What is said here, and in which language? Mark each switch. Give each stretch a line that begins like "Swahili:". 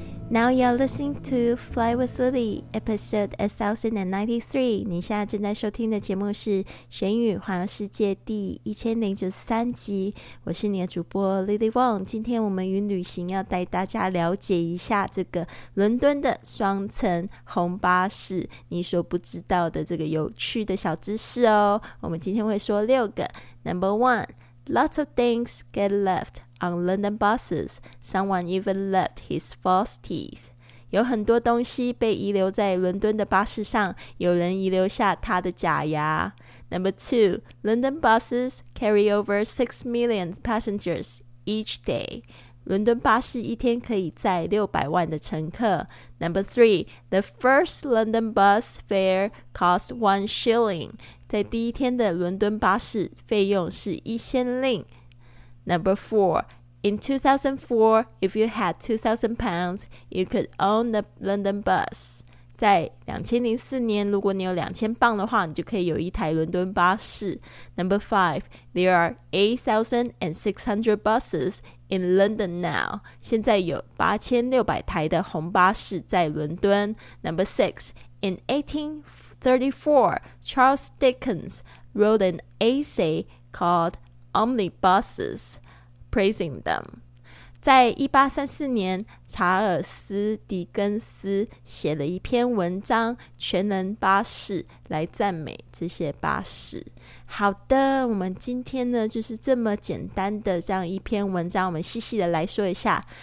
English: Now you're listening to Fly with Lily, episode 1093.
Chinese: 你现在正在收听的节目是《学英语环游世界》第1093集。我是你的主播 Lily Wong。今天我们与旅行要带大家了解一下这个伦敦的双层红巴士，你所不知道的这个有趣的小知识哦。我们今天会说六个。
English: Number one, lots of things get left. On London buses, someone even left his false teeth.
Chinese: 有很多东西被遗留在伦敦的巴士上，有人遗留下他的假牙。
English: Number two, London buses carry over 6 million passengers each day.
Chinese: 伦敦巴士一天可以载600万的乘客。
English: Number three, the first London bus fare cost 1 shilling.
Chinese: 在第一天的伦敦巴士费用是1先令。
English: Number four, in 2004, if you had £2,000, you could own the London bus.
Chinese: 在2004年，如果你有2000镑的话，你就可以有一台伦敦巴士。
English: Number five, there are 8,600 buses in London now.
Chinese: 现在有8,600台的红巴士在伦敦。
English: Number six, in 1834, Charles Dickens wrote an essay called Omnibuses. Praising them.
Chinese: 在1834年，查尔斯·狄更斯写了一篇文章《全能巴士》，来赞美这些巴士。好的，我们今天呢，就是这么简单的这样一篇文章，我们细细的来说一下。